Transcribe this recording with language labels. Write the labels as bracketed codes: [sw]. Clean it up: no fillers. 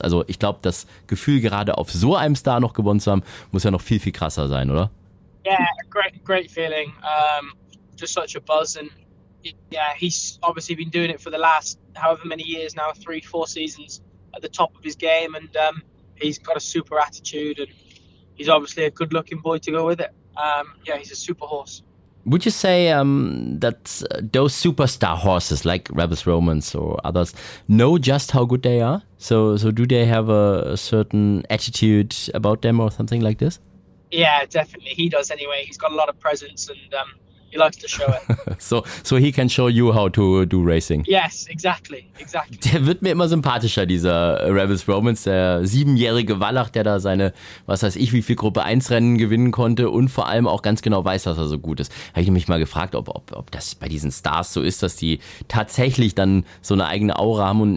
[de] Also ich glaube, das Gefühl, gerade auf so einem Star noch gewonnen zu haben, muss ja noch viel, viel krasser sein, oder? [en] Yeah, great feeling. Just such a buzz. And yeah, he's obviously been doing it for the last however many years now, 3-4 seasons at the top of his game. And he's got a super attitude and he's obviously a good looking boy to go with it. He's a super horse. Would you say that those superstar horses like Rebus Romans or others know just how good they are? So do they have a certain attitude about them or something like this? Yeah, definitely. He does anyway. He's got a lot of presence and he likes to show it. So he can show you how to do racing. Yes, exactly. Exactly. [de] Der wird mir immer sympathischer, dieser Rebus Romans, der siebenjährige Wallach, der da seine, was weiß ich, wie viel Gruppe 1 Rennen gewinnen konnte und vor allem auch ganz genau weiß, dass er so gut ist. Habe ich nämlich mal gefragt, ob das bei diesen Stars so ist, dass die tatsächlich dann so eine eigene Aura haben.